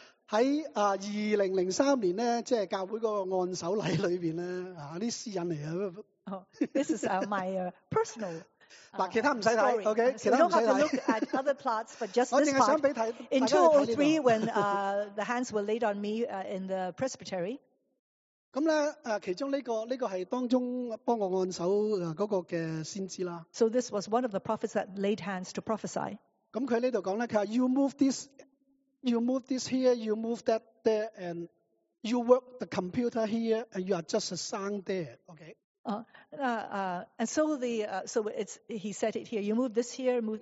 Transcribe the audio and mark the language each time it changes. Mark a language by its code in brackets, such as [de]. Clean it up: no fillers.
[zh] 在2003年呢，即是教會那個按手禮裡面呢，這些私隱來的。 [en] Oh, this is my personal... [zh] 其他不用看 okay, [en] so you don't have to look at other plots, but just this part. In 2003, when the hands were laid on me in the presbytery, [zh] 其中这个是当中帮我按手那个的先知啦。 [en] So this was one of the prophets that laid hands to prophesy. [zh] 他在这里说，他说 [en] you move this here, you move that there, and you work the computer here, and you are just a sound there, okay? And so the so it's he said it here. You move this here, move.